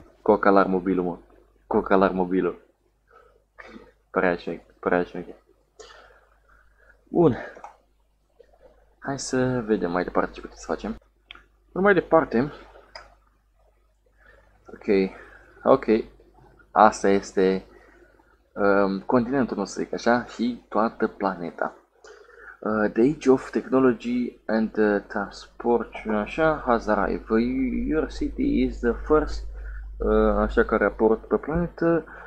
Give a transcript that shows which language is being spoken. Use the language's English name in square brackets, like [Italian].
[Romanian] Cocalar mobilul, mă. Cocalar mobilul. Prea șmec, prea șmec. Bun. Hai să vedem mai departe ce putem să facem. Mai departe. Ok. Asta este continentul nostru, zic așa, și toată planeta. [English] The Age of Technology and Transport, așa, has arrived. Your city is the first, așa, [Romanian] care apărut pe planetă.